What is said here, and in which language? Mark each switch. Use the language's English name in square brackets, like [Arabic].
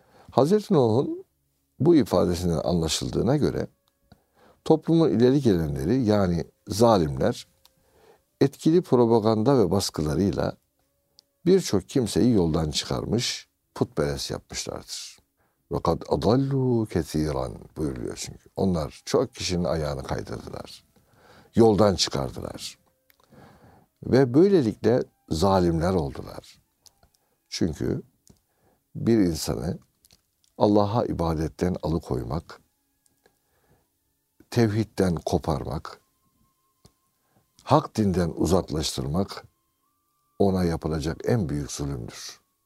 [Turkish] Hazreti Nuh'un bu ifadesinden anlaşıldığına göre toplumun ileri gelenleri, yani zalimler, etkili propaganda ve baskılarıyla birçok kimseyi yoldan çıkarmış, putperest yapmışlardır. [Arabic] وَقَدْ اَضَلُّوا كَثِيرًا [Turkish] buyuruyor çünkü. Onlar çok kişinin ayağını kaydırdılar, yoldan çıkardılar. Ve böylelikle zalimler oldular. Çünkü bir insanı Allah'a ibadetten alıkoymak, tevhidden koparmak, hak dinden uzaklaştırmak ona yapılacak en büyük zulümdür.